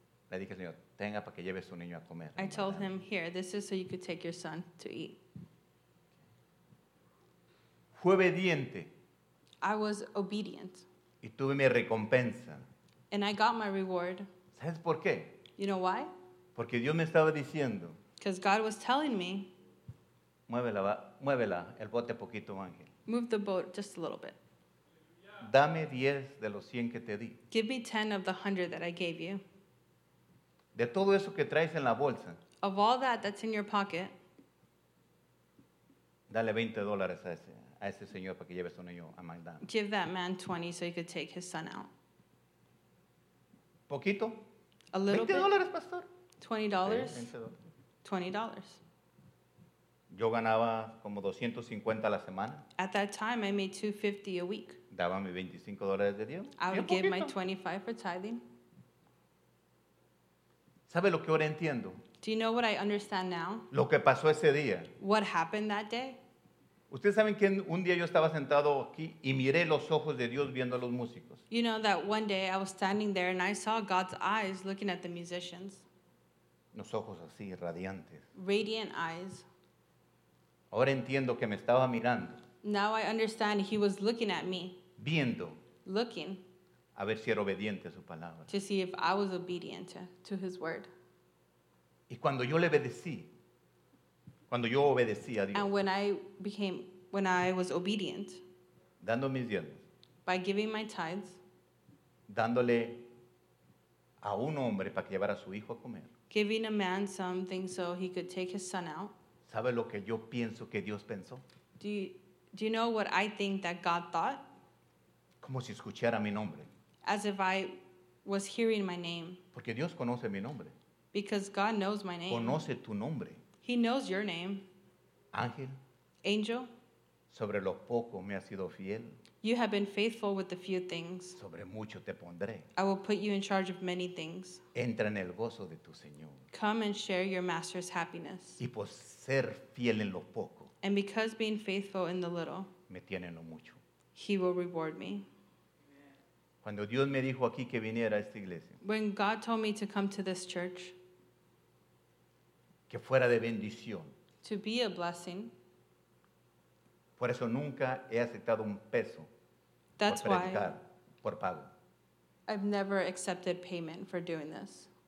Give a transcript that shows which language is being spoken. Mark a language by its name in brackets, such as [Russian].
[Spanish] Le dije al señor, tenga para que lleve su niño a comer. [English] I told him, here, this is so you could take your son to eat. [Spanish] Fue obediente. [English] I was obedient. [Spanish] Y tuve mi recompensa. [English] And I got my reward. [Spanish] ¿Sabes por qué? [English] You know why? [Spanish] Porque Dios me estaba diciendo. [English] Because God was telling me, [Spanish] muévela, muévela el bote poquito, ángel. [English] Move the boat just a little bit. [Spanish] Dame 10 de los 100 que te di. [English] Give me 10 of the 100 that I gave you. [Spanish] De todo eso que traes en la bolsa. [English] Of all that that's in your pocket. [Spanish] Dale $20 a ese señor para que lleve a su niño a McDonald's. [English] Give that man 20 so he could take his son out. [Spanish] Poquito. [English] A little [Spanish] $20, pastor. [English] $20. $20. [Spanish] Yo ganaba como 250 a la semana. [English] At that time, I made $250 a week. [Spanish] Daba mis $25 de Dios. [English] I would give my $25 for tithing. [Spanish] ¿Sabe lo que ahora entiendo? [English] Do you know what I understand now? [Spanish] Lo que pasó ese día. [English] What happened that day? [Spanish] Ustedes saben que un día yo estaba sentado aquí y miré los ojos de Dios viendo a los músicos. [English] You know that one day I was standing there and I saw God's eyes looking at the musicians. [Spanish] Los ojos así, radiantes. [English] Radiant eyes. [Spanish] Ahora entiendo que me estaba mirando. [English] Now I understand he was looking at me. [Spanish] Viendo. [English] Looking. [Spanish] A ver si era obediente a su palabra. [English] To see if I was obedient to his word. [Spanish] Y cuando yo le obedecí. Cuando yo obedecí a Dios. [English] And when I was obedient. [Spanish] Dando mis diezmos. [English] By giving my tithes. [Spanish] Dándole a un hombre para que llevara a su hijo a comer. [English] Giving a man something so he could take his son out. [Spanish] ¿Sabe lo que yo pienso que Dios pensó? [English] Do you know what I think that God thought? [Spanish] Como si escuchara mi nombre. [English] As if I was hearing my name. [Spanish] Porque Dios conoce mi nombre. [English] Because God knows my name. [Spanish] Conoce tu nombre. [English] He knows your name. [Spanish] Ángel. [English] Angel. [Spanish] Sobre lo poco me has sido fiel. [English] You have been faithful with a few things. [Spanish] Sobre mucho te pondré. [English] I will put you in charge of many things. [Spanish] Entra en el gozo de tu Señor. [English] Come and share your master's happiness. [Spanish] Y por ser fiel en lo poco. [English] And because being faithful in the little. [Spanish] Me tiene en lo mucho. [English] He will reward me. [Spanish] Cuando Dios me dijo aquí que viniera a esta iglesia. [English] When God told me to come to this church. [Spanish] Que fuera de bendición. [English] To be a blessing. [Spanish] Por eso nunca he aceptado un peso. [English] That's [Spanish] por predicar, [English] why. [Spanish] Por pago. [English] I've never accepted payment for doing this.